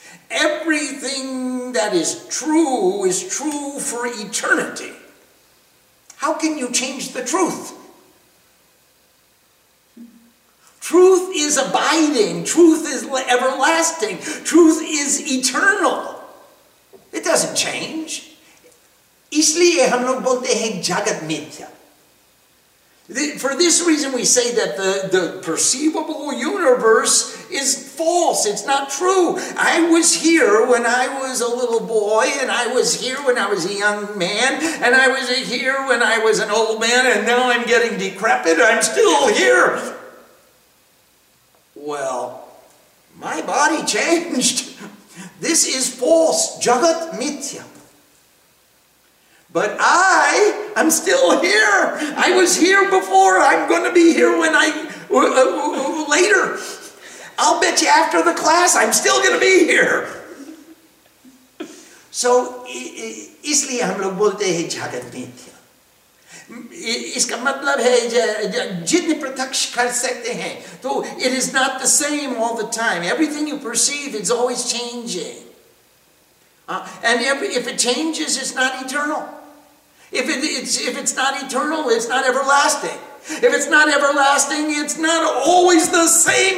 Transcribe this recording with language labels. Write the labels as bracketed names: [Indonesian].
[English] Everything that is true for eternity. How can you change the truth? Truth is abiding. Truth is everlasting. Truth is eternal. It doesn't change. [Hindi] इसलिए हम लोग बोलते हैं जगत मिथ्या. [English] For this reason, we say that the perceivable universe is false. It's not true. I was here when I was a little boy, and I was here when I was a young man, and I was here when I was an old man, and now I'm getting decrepit. I'm still here. Well, my body changed. This is false. [Hindi] Jagat mithya. [English] But I'm still here. I was here before. I'm going to be here when I, later. I'll bet you after the class, I'm still going to be here. [Hindi] So, इसलिए हम लोग बोलते हैं जगत मिथ्या. इसका मतलब है, जितने प्रत्यक्ष कर सकते हैं. [English] So, it is not the same all the time. Everything you perceive is always changing. And if it changes, it's not eternal. If it's not eternal, it's not everlasting. If it's not everlasting, it's not always the same.